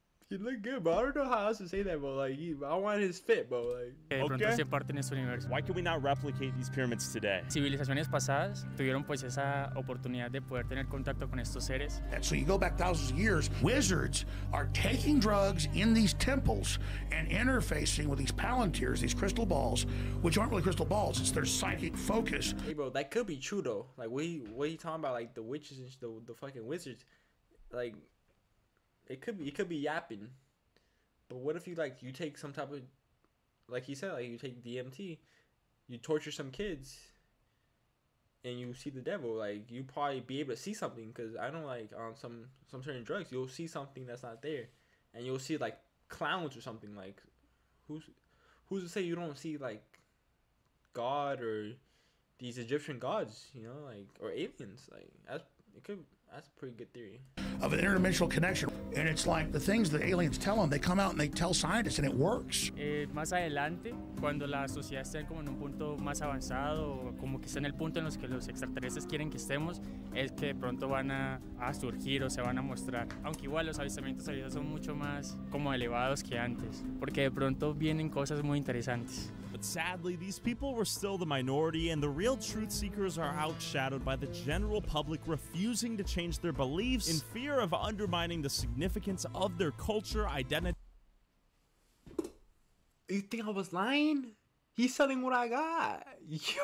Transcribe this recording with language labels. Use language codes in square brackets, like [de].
[en] You look good, but I don't know how else to say that, but like, I want his fit, bro. Like, okay. Why can we not replicate these pyramids today? [es] Civilizaciones pasadas tuvieron pues esa oportunidad de poder tener contacto con estos seres. [en] And so you go back thousands of years, wizards are taking drugs in these temples and interfacing with these palantirs, these crystal balls, which aren't really crystal balls, it's their psychic focus. Hey, bro, that could be true, though. Like, what are you talking about? Like, the witches and the fucking wizards, like... It could be yapping, but what if you like you take some type of, like he said, like you take DMT, you torture some kids, and you see the devil. Like you probably be able to see something, because I don't like some certain drugs, you'll see something that's not there, and you'll see like clowns or something. Like who's to say you don't see like God or these Egyptian gods, you know, like, or aliens. Like that's a pretty good theory. Of an interdimensional connection, and it's like the things the aliens tell them, they come out and they tell scientists, and it works. [es] Más adelante, cuando la sociedad esté como en un punto más avanzado, como que está en el punto en los que los extraterrestres quieren que estemos, es que pronto van a surgir o se van a mostrar. Aunque igual los avistamientos ahorita son mucho más como elevados que antes, porque de pronto vienen cosas muy interesantes. [en] But sadly, these people were still the minority, and the real truth seekers are outshadowed by the general public refusing to change their beliefs in fear of undermining the significance of their culture, identity. You think I was lying? He's selling what I got. Yo!